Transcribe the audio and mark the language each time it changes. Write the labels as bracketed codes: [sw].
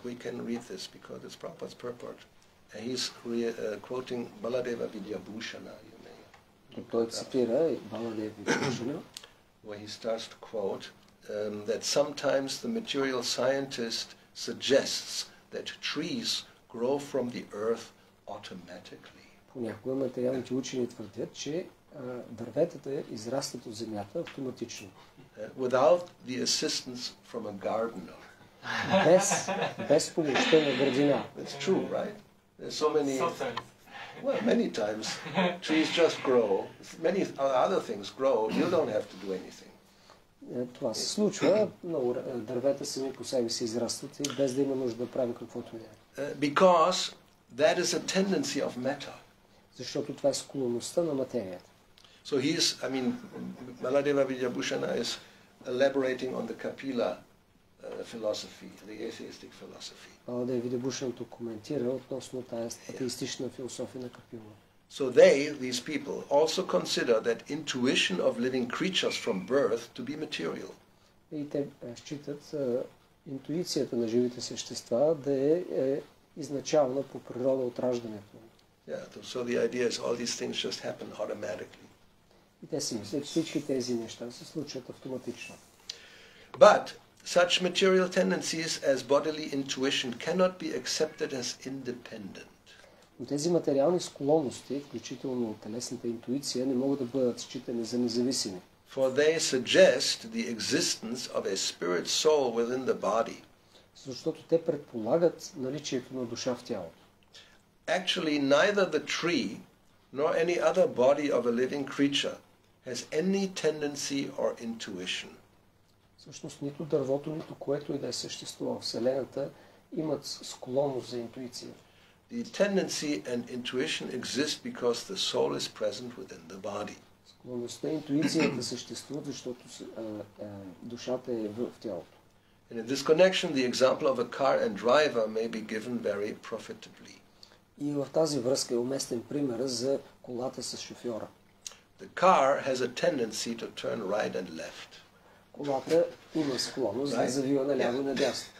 [en] We can read this because it's Prabhupada's purport. And he's quoting Baladeva Vidyabhushana, you may. [bg] Той цитира Баладева Видьябушана. [en] Where he starts to quote that sometimes the material scientist suggests that trees grow from the earth automatically. [bg] Понякога материалните учени твърдят, че дърветата израстват от земята автоматично. [en] Without the assistance from a gardener. [bg] Без помощта на градинар. [en] That's true, right? There's so many. Well, many times trees just grow. Many other things grow. You don't have to do anything. [bg] Това се случва, но дървета сами по себе си израстват и без да има нужда да правим каквото и да е. [en] Because that is a tendency of matter. [bg] Защото това е склонността на материята. [en] So he is, I mean, Baladeva Vidyabhushana is elaborating on the Kapila philosophy, the atheistic philosophy. [bg] Baladeva Vidyabhushana то коментира относно тази атеистична философия на Капила. [en] So they, these people, also consider that intuition of living creatures from birth to be material. [bg] И те считат интуицията на живите същества да е изначална по природа от раждането. [en] Yeah, so the idea is all these things just happen automatically. [bg] И те си мислят, всички тези неща се случват автоматично. [en] But such material tendencies as bodily intuition cannot be accepted as independent. [bg] Но тези материални склонности, включително телесната интуиция, не могат да бъдат считани за независими. [en] For they suggest the existence of a spirit soul within the body. [bg] Защото те предполагат наличието на душа в тялото. [en] Actually, neither the tree nor any other body of a living creature has any tendency or intuition. [bg] Всъщност нито дървото, нито което и да е съществува в Вселената, имат склонност за интуиция. [en] The tendency and intuition exist because the soul is present within the body. [bg] Склонността и интуицията съществуват, защото душата е в тялото. [en] And in this connection, the example of a car and driver may be given very profitably. [bg] И в тази връзка е уместен пример за колата с шофьора. [en] The car has a tendency to turn right and left. [bg] Колата има склонност да завива наляво и надясно.